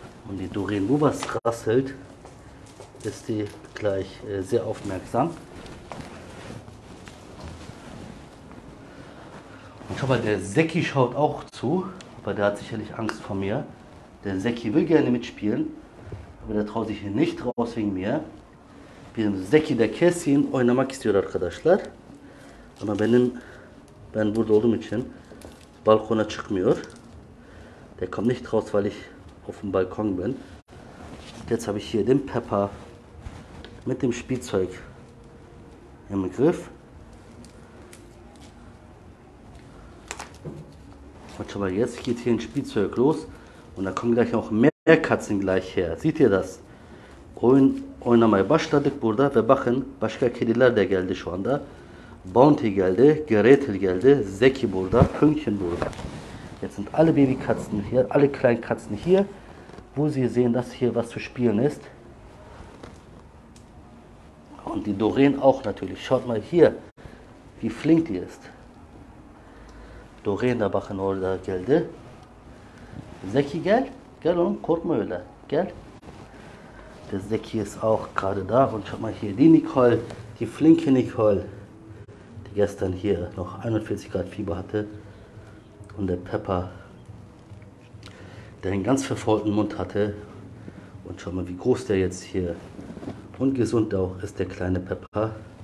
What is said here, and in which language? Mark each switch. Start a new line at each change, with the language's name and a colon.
German: Und die Doreen Mubas rasselt, ist die gleich sehr aufmerksam. Und schau mal, der Seki schaut auch zu, aber der hat sicherlich Angst vor mir. Der Seki will gerne mitspielen, aber der traut sich hier nicht raus wegen mir.
Turkish: Benim Seki de kesin oynamak istiyor arkadaşlar. Ama ben burada olduğum için balkona çıkmıyor.
German: Der kommt nicht raus, weil ich auf dem Balkon bin. Jetzt habe ich hier den Pepper mit dem Spielzeug im Griff. Und schau mal, jetzt geht hier ein Spielzeug los. Und da kommen gleich auch mehr Katzen gleich her. Seht ihr das?
Turkish: Oynamaya başladık burada. Ve bakın, başka kediler de geldi şu anda. Bounty geldi, Gretel geldi, Zeki burada, Pünktchen burada.
German: Jetzt sind alle Babykatzen hier, alle kleinen Katzen hier, wo sie sehen, dass hier was zu spielen ist. Und die Doreen auch natürlich. Schaut mal hier, wie flink die ist.
Turkish: Doreen, da bakın orada geldi. Zeki gel, gel oğlum, korkma öyle, gel.
German: Der Zeki ist auch gerade da und schaut mal hier, die Nicole, die flinke Nicole, die gestern hier noch 41 Grad Fieber hatte. Und der Pepper, der einen ganz verfaulten Mund hatte. Und schaut mal, wie groß der jetzt hier und gesund auch ist, der kleine Pepper.